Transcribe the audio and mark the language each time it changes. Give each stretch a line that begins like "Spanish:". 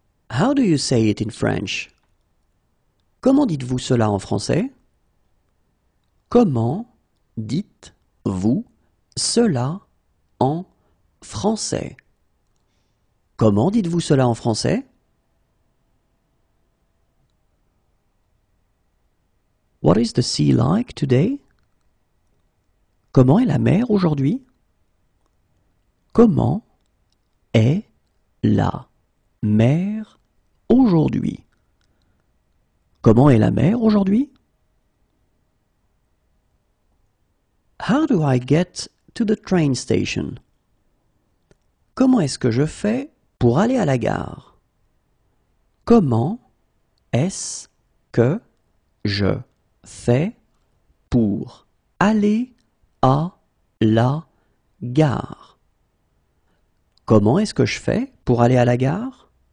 English: How do you say it in French?
French: Comment dites-vous cela en français? Comment dites-vous cela en français? Comment dites-vous cela en français?
English: What is the sea like today?
French: Comment est la mer aujourd'hui? Comment est la mer aujourd'hui? Comment est la mer aujourd'hui?
English: How do I get to the train station?
French: Comment est-ce que je fais pour aller à la gare? Comment est-ce que je fais pour aller à la gare? Comment est-ce que je fais pour aller à la gare?